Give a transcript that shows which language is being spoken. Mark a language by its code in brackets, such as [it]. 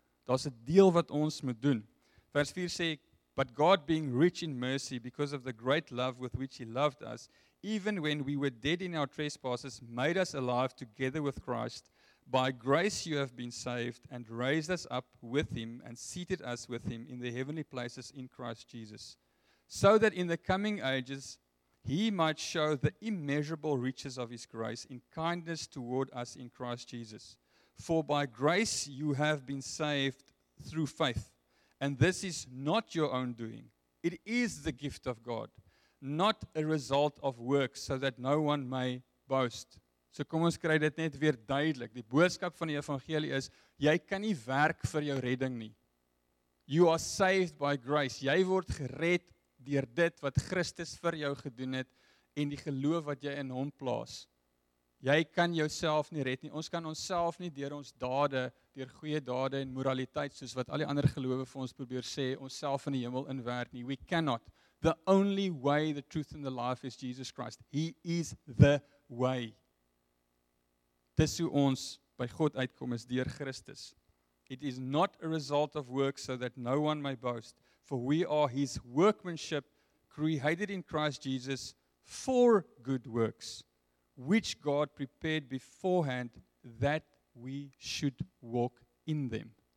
[af] Daar's 'n deel wat ons moet doen. Vers 4 sê, [en] but God being rich in mercy because of the great love with which he loved us, even when we were dead in our trespasses, made us alive together with Christ. By grace you have been saved and raised us up with him and seated us with him in the heavenly places in Christ Jesus, so that in the coming ages he might show the immeasurable riches of his grace in kindness toward us in Christ Jesus. For by grace you have been saved through faith, and this is not your own doing. It is the gift of God, not a result of works, so that no one may boast. [af] So kom ons kry dit net weer duidelik. Die boodskap van die evangelie is, jy kan nie werk vir jou redding nie. [en] You are saved by grace. [af] Jy word gered deur dit wat Christus vir jou gedoen het en die geloof wat jy in hom plaas. Jy kan jouself nie red nie. Ons kan onsself nie deur ons dade, deur goeie dade en moraliteit, soos wat al die ander gelowe vir ons probeer sê, onsself in die hemel inwerk nie. [en] We cannot. The only way, the truth and the life is Jesus Christ. He is the way. [af] Dis hoe ons by God uitkom, is deur Christus. [en] It is not a result of works, so that no one may boast. For we are his workmanship, created in Christ Jesus for good works, which God prepared beforehand that we should walk in them.